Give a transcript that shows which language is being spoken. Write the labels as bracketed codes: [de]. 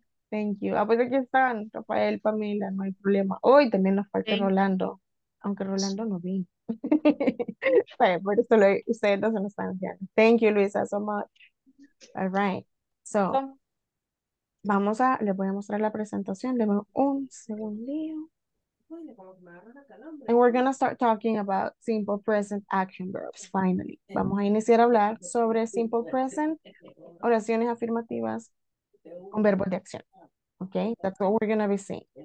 [en] Thank you. [es] Ah, pues aquí están, Rafael, Pamela, no hay problema. Hoy también nos falta Rolando, aunque Rolando no vino. Bueno, por eso ustedes no se nos están viendo. [en] Thank you, Luisa, so much. All right. [es] So, vamos a, les voy a mostrar la presentación. Deme un segundito. [en] And we're going to start talking about simple present action verbs, finally. [es] Vamos a iniciar a hablar sobre simple present, oraciones afirmativas con verbos de acción. [en] Okay, that's what we're going to be seeing.